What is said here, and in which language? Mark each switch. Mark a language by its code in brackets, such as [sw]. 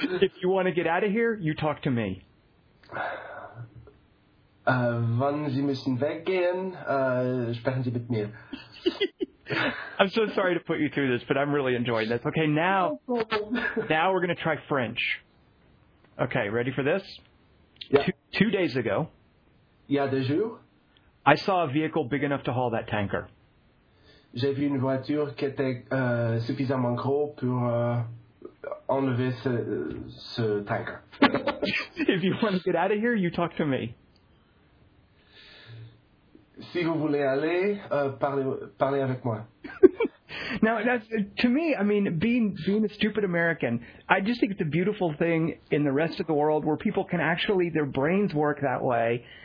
[en] If you want to get out of here, you talk to me. [de] Wann Sie müssen weggehen, sprechen Sie mit mir. [en] I'm so sorry to put you through this, but I'm really enjoying this. Okay, now we're going to try French. Okay, ready for this? Yeah. Two days ago. [fr] Yeah, deux jours. [en] I saw a vehicle big enough to haul that tanker. [fr] J'ai vu une voiture qui était suffisamment gros pour enlever ce tanker. [en] If you want to get out of here, you talk to me. [fr] Si vous voulez aller, parlez avec moi. [en] Now, that's, to me, I mean, being a stupid American, I just think it's a beautiful thing in the rest of the world where people can actually, their brains work that way.